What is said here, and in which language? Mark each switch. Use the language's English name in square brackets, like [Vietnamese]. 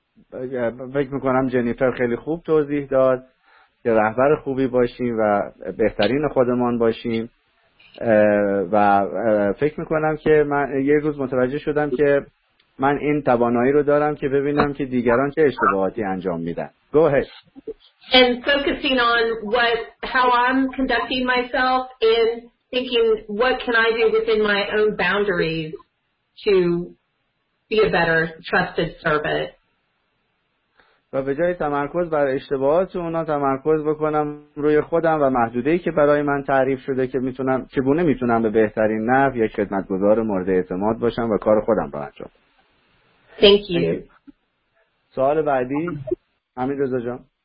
[Persian] فکر میکنم جنیفر خیلی خوب توضیح داد که رهبر خوبی باشیم و بهترین خودمان باشیم و فکر میکنم که من یه روز متوجه شدم که من این توانایی رو دارم که ببینم که دیگران چه اشتباهاتی انجام میدن. [English] Go ahead. And focusing on how I'm conducting myself and thinking what can I do within my own boundaries to be a better trusted servant. [Persian] و به جای تمرکز بر اشتباهات اونا تمرکز بکنم روی خودم و محدوده‌ای که برای من تعریف شده که میتونم چگونه میتونم به بهترین نحو یا خدمتگزار مورد اعتماد باشم و کار خودم رو انجام بدم. [English] Thank you. [Persian] سوال بعدی حمید رضا جان.